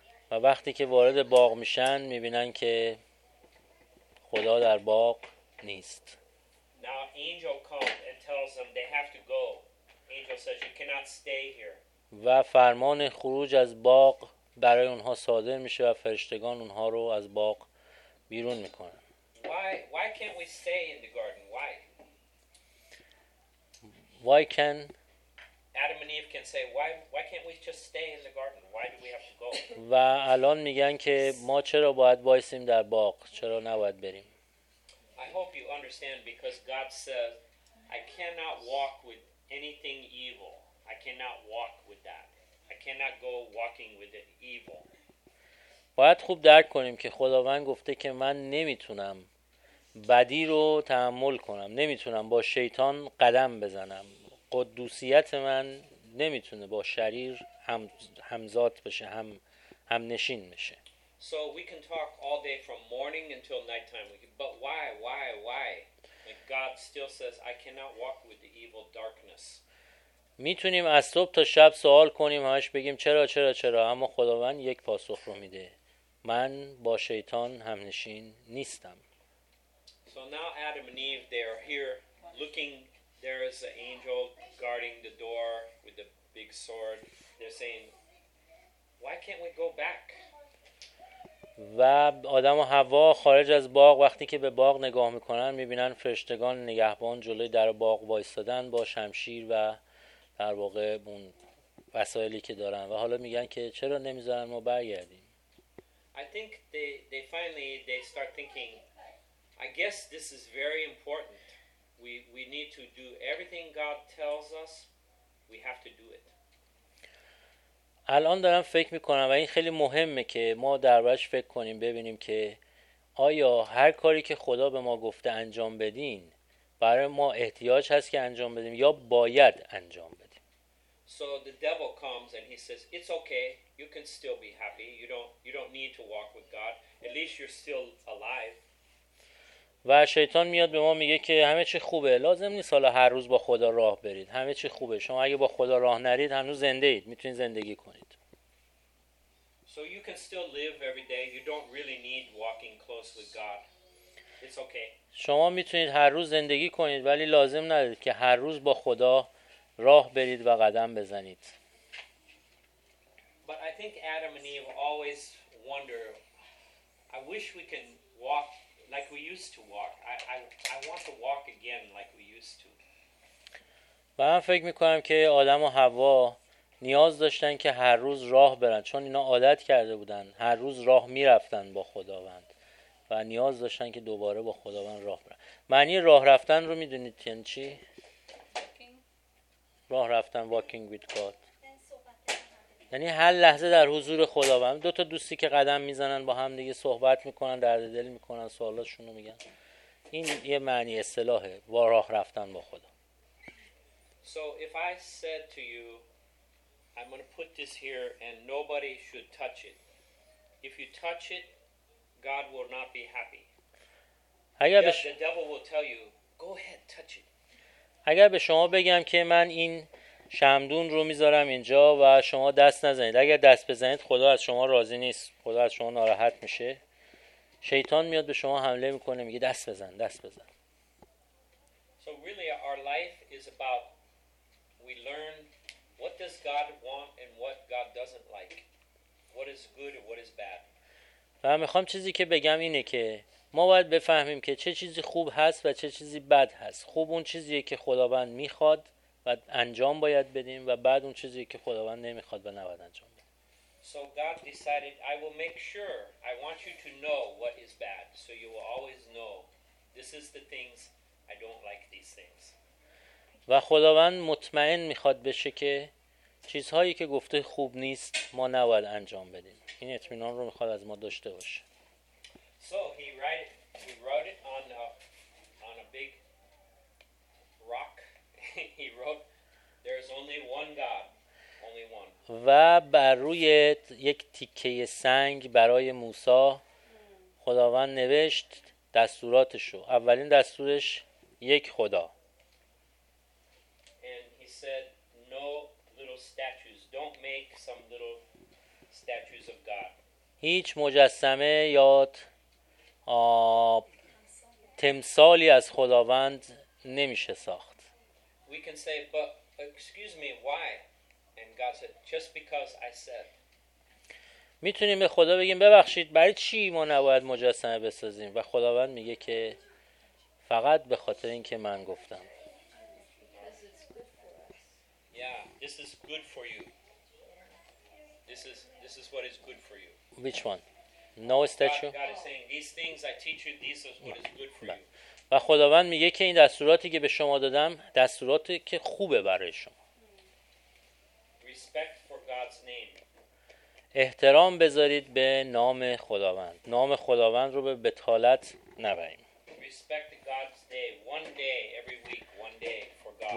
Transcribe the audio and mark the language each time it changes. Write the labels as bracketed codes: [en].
[fa] و وقتی که وارد باغ میشن میبینن که خدا در باغ نیست. [en] Now angel comes and tells them they have to go. Angel says you cannot stay here. [fa] و فرمان خروج از باغ برای اونها صادر میشه و فرشتگان اونها رو از باغ بیرون میکنن. [en] Why can't we stay in the garden? Why? Why can Adam and Eve can say why can't we just stay in the garden? Why do we have to go? [fa] و الان میگن که ما چرا باید بایستیم در باغ؟ چرا نباید بریم؟ [en] I hope you understand because God says I cannot walk with anything evil. I cannot walk with that. I cannot go walking with the evil. [fa] باید خوب درک کنیم که خداوند گفته که من نمیتونم بدی رو تحمل کنم. نمیتونم با شیطان قدم بزنم. قدوسیت من نمیتونه با شریر همزاد بشه، همنشین بشه. [en] So we can talk all day from morning until night time. But why? Like God still says I cannot walk with the evil darkness. [fa] میتونیم از صبح تا شب سوال کنیم، همش بگیم چرا، اما خداوند یک پاسخ رو میده. من با شیطان همنشین نیستم. [en] So now Adam and Eve they are here looking, there is an angel guarding the door with the big sword. They're saying why can't we go back? [fa] و آدم و حوا خارج از باغ وقتی که به باغ نگاه میکنن میبینن فرشتگان نگهبان جلوی در باغ وایستادن با شمشیر و در واقع اون وسایلی که دارن و حالا میگن که چرا نمیذارن ما برگردیم. [en] I think they finally they start thinking I guess this is very important. We need to do everything God tells us. We have to do it. [fa] الان دارم فکر میکنم و این خیلی مهمه که ما دربارش فکر کنیم ببینیم که آیا هر کاری که خدا به ما گفته انجام بدین برای ما احتیاج هست که انجام بدیم یا باید انجام بدیم. [en] So the devil comes and he says it's okay, you can still be happy, you don't need to walk with God, at least you're still alive. [fa] و شیطان میاد به ما میگه که همه چی خوبه، لازم نیست حالا هر روز با خدا راه برید، همه چی خوبه، شما اگه با خدا راه نرید هنوز زنده اید، میتونید زندگی کنید. [en] So you can still live every day, you don't really need walking close with God. It's okay. [fa] شما میتونید هر روز زندگی کنید ولی لازم ندارید که هر روز با خدا راه برید و قدم بزنید. [en] But I think Adam and Eve always wonder, I wish we can walk like we used to walk. I want to walk again like we used to. [fa] و من فکر میکنم که آدم و حوا نیاز داشتن که هر روز راه برن، چون اینا عادت کرده بودن هر روز راه میرفتن با خداوند و نیاز داشتن که دوباره با خداوند راه برن. معنی راه رفتن رو میدونید یعنی چی؟ راه رفتن، [en] walking with God، [fa] یعنی هر لحظه در حضور خداوند. دو تا دوستی که قدم میزنن با هم دیگه صحبت میکنن، درد دل میکنن، سوالاشون رو میگن، این یه معنی اصطلاحه و راه رفتن با خدا. [en] So if I said to you, I'm going to put this here and nobody should touch it. If you touch it, God will not be happy. [fa] اگر [en] the devil will tell you, go ahead, touch it. [fa] اگر به شما بگم که من این شمدون رو میذارم اینجا و شما دست نزنید، اگر دست بزنید خدا از شما راضی نیست، خدا از شما ناراحت میشه، شیطان میاد به شما حمله میکنه، میگه دست بزن، دست بزن. [en] So really our life is about we learn what does God want and what God doesn't like. What is good and what is bad. [fa] و میخوام چیزی که بگم اینه که ما باید بفهمیم که چه چیزی خوب هست و چه چیزی بد هست. خوب اون چیزیه که خداوند میخواد و انجام باید بدیم و بعد اون چیزیه که خداوند نمیخواد و نباید انجام بدیم. [en] So God decided I will make sure I want you to know what is bad so you will always know this is the things I don't like these things. [fa] و خداوند مطمئن میخواد بشه که چیزهایی که گفته خوب نیست ما نباید انجام بدیم. این اطمینان رو میخواد از ما داشته باشه. [en] So he wrote it on a big rock. He wrote there is only one God, only one. [fa] و بر روی یک تیکه سنگ برای موسی خداوند نوشت دستوراتشو. اولین دستورش یک خدا. [en] Said no little statues, don't make some little statues of God. [fa] هیچ مجسمه یا تمثالی از خداوند نمیشه ساخت. [en] We can say but excuse me why, and God said just because I said. [fa] میتونیم به خدا بگیم ببخشید برای چی ما نباید مجسمه بسازیم و خداوند میگه که فقط به خاطر اینکه من گفتم. [en] Yeah, this is good for you. This is what is good for you. Which one? No statue. God is saying these things I teach you, these are what is good for you. [fa] و خداوند میگه که این دستوراتی که به شما دادم دستوراتی که خوبه برای شما. [en] Respect for God's name. [fa] احترام بذارید به نام خداوند. نام خداوند رو به بتالت نبریم. [en] Respect God's day, one day every week, one day for God.